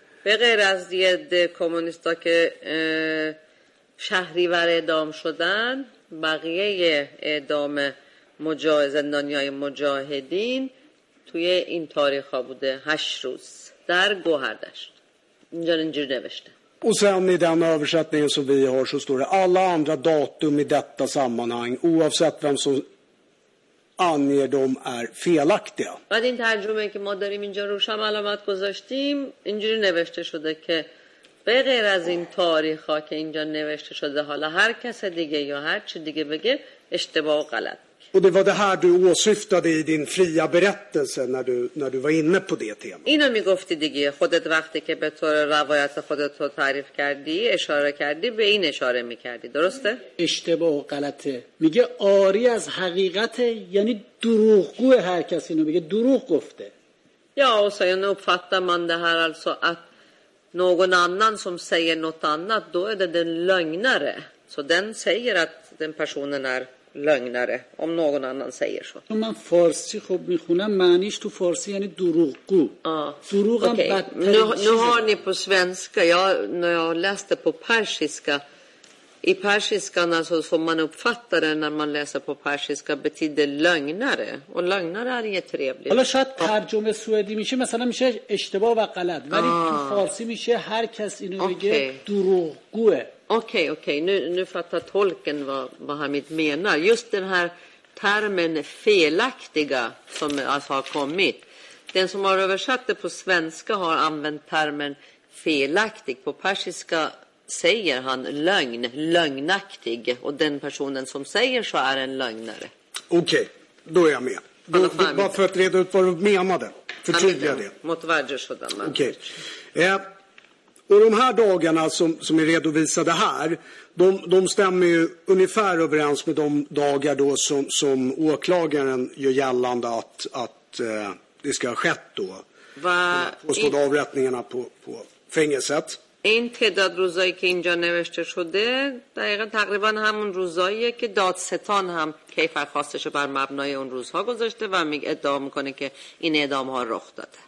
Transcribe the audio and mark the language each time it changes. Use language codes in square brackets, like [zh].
[fa] به غیر از دید کومونیستا که شهریور اعدام شدن بقیه اعدام زندانیای مجاهدین توی این تاریخ ها بوده 8 روز در گوهردشت اینجور نوشته و سن [sv] i den översättningen som vi har så står det alla andra datum i detta sammanhang oavsett vem som anger dem är felaktiga [fa] و این ترجمه که ما داریم اینجا روشم علامت گذاشتیم اینجور نوشته شده که به غیر از این تاریخ ها که اینجا نوشته شده حالا هر کس دیگه یا هر چی دیگه بگه اشتباه غلط [sv] و det var det här du åsyftade i din fria berättelse när du var inne på det temat. [fa] اینو میگفتی دیگه خودت وقتی که به طور روایت خودت رو تعریف کردی اشاره کردی به این اشاره میکردی درسته؟ اشتباه غلطه میگه آری از حقیقت یعنی دروغگو هر کس اینو میگه دروغ گفته یا اصلا [sv] uppfattar man det här alltså att någon annan som säger något annat då är det den lögnare så den säger att den personen är lögnare om någon annan säger så. Om man farsi [fa] خوب میخونم معنیش تو فارسی یعنی دروغگو. دروغ هم بدتر. [sv] Nu har ni på svenska. Jag när jag läste på persiska i persiska så får man uppfatta det när man läser på persiska betyder lögnare och lögnare är inte trevligt. [fa] حالا شاید ترجمه سوئدی میشه مثلا میشه اشتباه و غلط ولی تو فارسی میشه هر کس اینو بگه دروغگوه. [sv] Okej. Nu fattar tolken vad Hamid menar. Just den här termen felaktiga som alltså har kommit. Den som har översatt det på svenska har använt termen felaktig på persiska säger han lögn, lögnaktig. Och den personen som säger så är en lögnare. Okej, okay, då är jag med. Bara för att reda ut vad du menade. Förtydliga det. Mot världens sådana. Okej. Okay. Och de här dagarna som är redovisade här, de stämmer ju ungefär överens med de dagar då som åklagaren gör gällande att det ska ha skett då. Påstådda avrättningarna på fängelset. [fa] این تعداد روزایی که اینجا نوشته شده دقیقا تقریبا همون روزاییه که دادستان هم کیفر خواستش بر مبنای اون روزها گذاشته و ادعا میکنه که این اعدام ها رخ داده.